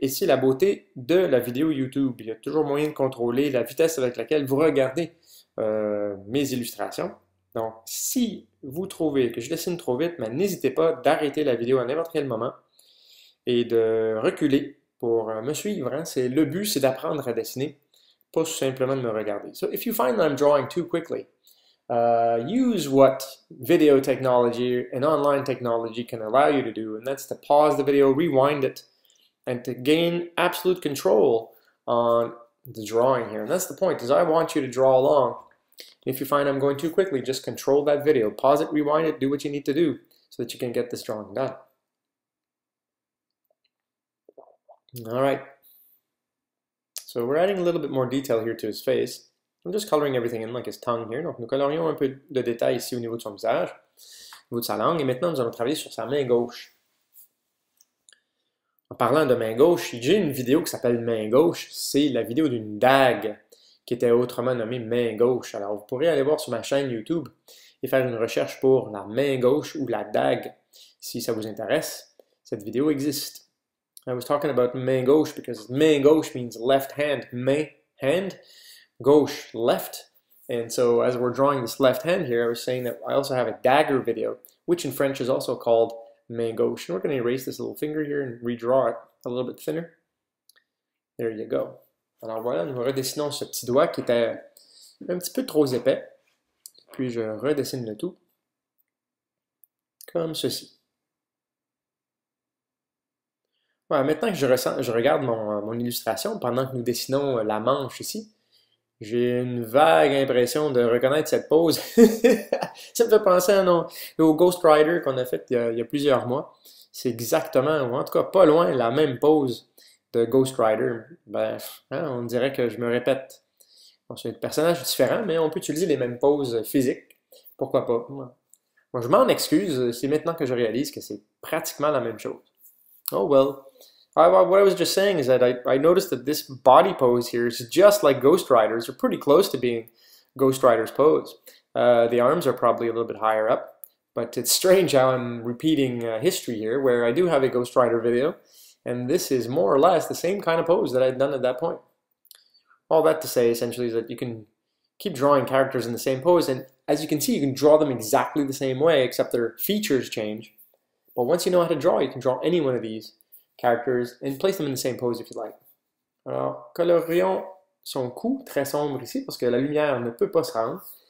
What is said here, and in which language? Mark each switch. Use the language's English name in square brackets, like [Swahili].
[French] Et c'est la beauté de la vidéo YouTube. Il y a toujours moyen de contrôler la vitesse avec laquelle vous regardez mes illustrations. Donc, si vous trouvez que je dessine trop vite, ben, n'hésitez pas d'arrêter la vidéo à n'importe quel moment et de reculer pour me suivre. Hein. C'est le but, c'est d'apprendre à dessiner, pas simplement de me regarder. [English] So, if you find I'm drawing too quickly, use what video technology and online technology can allow you to do, and that's to pause the video, rewind it, and to gain absolute control on the drawing here. And that's the point, is I want you to draw along. If you find I'm going too quickly, just control that video. Pause it, rewind it, do what you need to do so that you can get this drawing done. All right. So we're adding a little bit more detail here to his face. I'm just coloring everything in, like his tongue here. [French] Donc, nous colorions un peu de détails ici au niveau de son visage, au niveau de sa langue. Et maintenant, nous allons travailler sur sa main gauche. En parlant de main gauche, j'ai une vidéo qui s'appelle Main gauche. C'est la vidéo d'une dague qui était autrement nommé main gauche. Alors, vous pourrez aller voir sur ma chaîne YouTube et faire une recherche pour la main gauche ou la dague. Si ça vous intéresse, cette vidéo existe. [English] I was talking about main gauche because main gauche means left hand. Main, hand. Gauche, left. And so, as we're drawing this left hand here, I was saying that I also have a dagger video, which in French is also called main gauche. And we're going to erase this little finger here and redraw it a little bit thinner. There you go. [French] Alors voilà, nous redessinons ce petit doigt qui était un petit peu trop épais. Puis je redessine le tout comme ceci. Voilà, maintenant que je regarde mon illustration pendant que nous dessinons la manche ici, j'ai une vague impression de reconnaître cette pose. Ça me fait penser au Ghost Rider qu'on a fait il y a plusieurs mois. C'est exactement, ou en tout cas pas loin, la même pose de Ghost Rider. Ben, hein, on dirait que je me répète. Bon, c'est un personnage différent, mais on peut utiliser les mêmes poses physiques. Pourquoi pas? Moi, bon, je m'en excuse, c'est maintenant que je réalise que c'est pratiquement la même chose. [English] Oh well. What I was just saying is that I noticed that this body pose here is just like Ghost Rider's, or pretty close to being Ghost Rider's pose. The arms are probably a little bit higher up, but it's strange how I'm repeating history here, where I do have a Ghost Rider video. And this is more or less the same kind of pose that I'd done at that point. All that to say, essentially, is that you can keep drawing characters in the same pose, and as you can see, you can draw them exactly the same way, except their features change. But once you know how to draw, you can draw any one of these characters and place them in the same pose if you like. [French] Alors, colorions son cou très sombre ici, parce que la lumière ne peut pas se rendre.